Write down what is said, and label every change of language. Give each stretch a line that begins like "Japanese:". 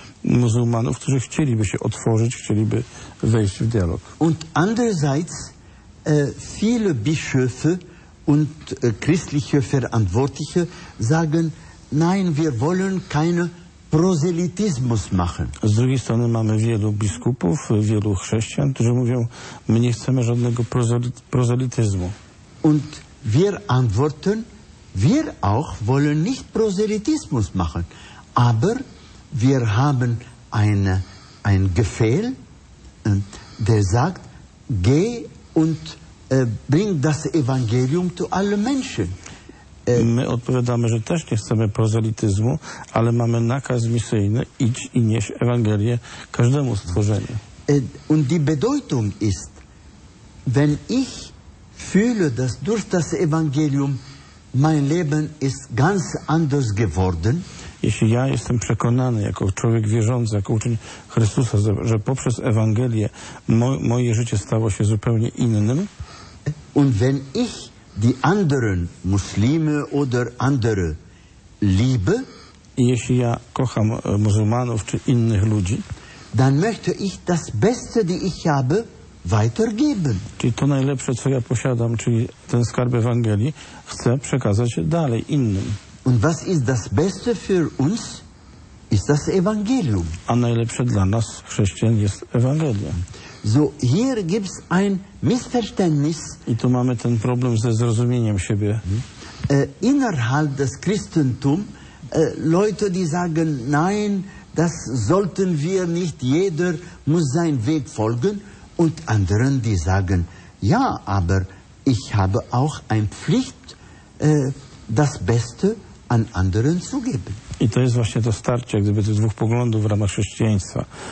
Polish: muzułmanów, którzy chcieliby się otworzyć, chcieliby wejść w dialog.
German: Und andererseits viele Bischöfe und christliche Verantwortliche sagen, nein, wir wollen keine Proselytismus machen.
Polish: Z drugiej strony mamy wielu biskupów, wielu chrześcijan, którzy mówią, my nie chcemy żadnego prozelityzmu.
German: Und wir antworten, wir auch wollen nicht Proselytismus machen, aber wir haben ein Gefehl, der sagt, geh und bring das Evangelium zu allen Menschen.
Polish: My odpowiadamy, że też nie chcemy prozelityzmu, ale mamy nakaz misyjny, idź i nieś Ewangelię każdemu stworzeniu.
German: Und die Bedeutung ist, wenn ich fühle, dass durch das Evangelium mein Leben ist ganz anders geworden.
Polish: Jeśli ja jestem przekonany, jako człowiek wierzący, jako uczeń Chrystusa, że poprzez Ewangelię moje życie stało się zupełnie innym.
German: Und wenn ich die anderen Muslime oder andere liebe,
Polish: jeśli ja kocham muzułmanów czy innych ludzi,
German: dann möchte ich das Beste, die ich habe, weitergeben.
Polish: Czyli to najlepsze, co ja posiadam, czyli ten skarb Ewangelii, chcę przekazać dalej innym.
German: Und was ist das Beste für uns? Ist das Evangelium.
Polish: A najlepsze dla nas, chrześcijan, jest Ewangelia.
German: So, hier gibt's ein Missverständnis.
Polish: I tu mamy ten problem ze zrozumieniem siebie.
German: Innerhalb des Christentums Leute, die sagen, nein, das sollten wir nicht, jeder muss seinen Weg folgen. Und anderen, die sagen, ja, aber ich habe auch eine Pflicht, das Beste an anderen zu geben.
Polish: I to jest właśnie to starcie, gdyby tych dwóch poglądów w ramach chrześcijaństwa.